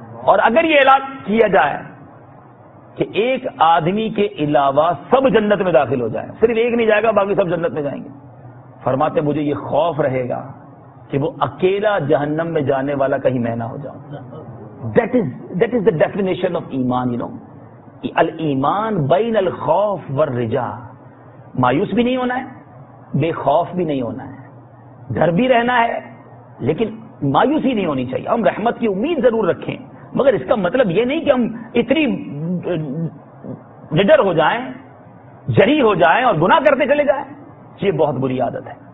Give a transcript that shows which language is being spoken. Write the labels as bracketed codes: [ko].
[ur] اور اگر یہ اعلان کیا جائے کہ ایک آدمی کے علاوہ سب جنت میں داخل ہو جائے, صرف ایک نہیں جائے گا باقی سب جنت میں جائیں گے, فرماتے مجھے یہ خوف رہے گا کہ وہ اکیلا جہنم میں جانے والا کہیں میں نہ ہو جاؤں. [en] That is the definition of ایمان. You know [ar] الایمان بین الخوف والرجا, [ur] مایوس بھی نہیں ہونا ہے, بے خوف بھی نہیں ہونا ہے, ڈر بھی رہنا ہے لیکن مایوسی نہیں ہونی چاہیے. ہم رحمت کی امید ضرور رکھیں, مگر اس کا مطلب یہ نہیں کہ ہم اتنی نڈر ہو جائیں, جری ہو جائیں اور گناہ کرتے چلے جائیں, یہ بہت بری عادت ہے.